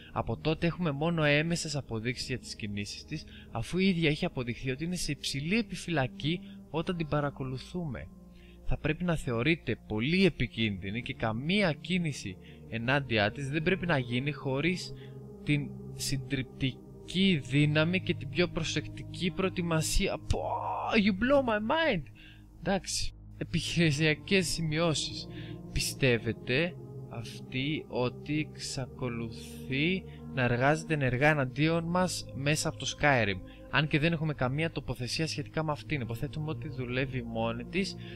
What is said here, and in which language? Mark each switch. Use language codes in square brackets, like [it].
[el] Από τότε έχουμε μόνο έμεσες αποδείξεις για τις κινήσεις της, αφού η ίδια έχει αποδειχθεί ότι είναι σε υψηλή επιφυλακή όταν την παρακολουθούμε. Θα πρέπει να θεωρείται πολύ επικίνδυνη και καμία κίνηση ενάντια της δεν πρέπει να γίνει χωρίς την συντριπτική δύναμη και την πιο προσεκτική προετοιμασία. [en] Πω, you blow my mind! [el] Εντάξει, επιχειρησιακές σημειώσεις. Πιστεύετε αυτή ότι εξακολουθεί να εργάζεται ενεργά εναντίον μας μέσα από το Skyrim? Αν και δεν έχουμε καμία τοποθεσία σχετικά με αυτήν, υποθέτουμε ότι δουλεύει μόνη της.